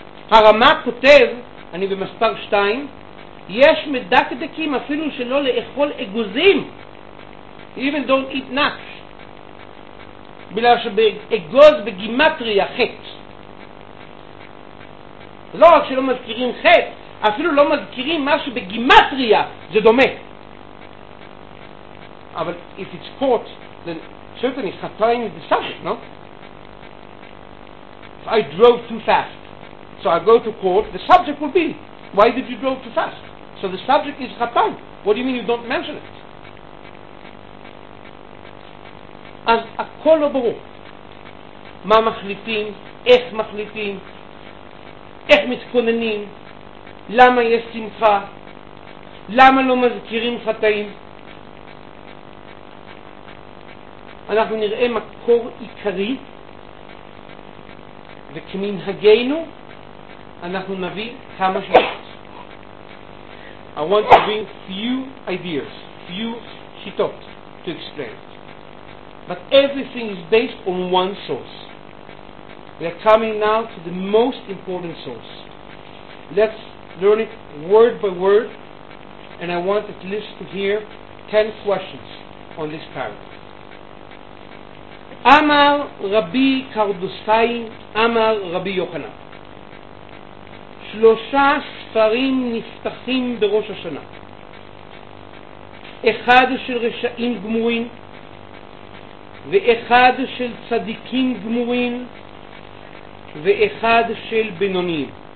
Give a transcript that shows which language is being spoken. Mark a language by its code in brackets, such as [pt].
[he] הרמ"א כותב, אני במספר 2, יש מדקדקים אפילו שלא לאכול אגוזים. [en] Even don't eat nuts. [he] בגלל שבאגוז בגימטריה חטא. לא רק שלא מזכירים חטא, אפילו לא מזכירים מה שבגימטריה זה דומה. [en] אבל if it's caught, then certainly חטאים is the subject, no? If I drove too fast, so I go to court, the subject will be, why did you drove too fast? So the subject is חטאים. What do you mean you don't mention it? [he] אז הכל לא ברור. מה מחליטים, איך מחליטים, איך מתכוננים, למה יש שמחה, למה לא מזכירים חטאים. אנחנו נראה מקור עיקרי, וכמנהגנו אנחנו נביא כמה שיטות. [en] I want to bring few ideas, few שיטות to explain. But everything is based on one source. We are coming now to the most important source. Let's learn it word by word, and I want at least to hear 10 questions on this paragraph. [he] אמר רבי קרדוסאי, אמר רבי יוחנן, שלושה ספרים נפתחים בראש השנה, אחד של רשעים גמורים ואחד של צדיקים גמורים ואחד של בינוניים.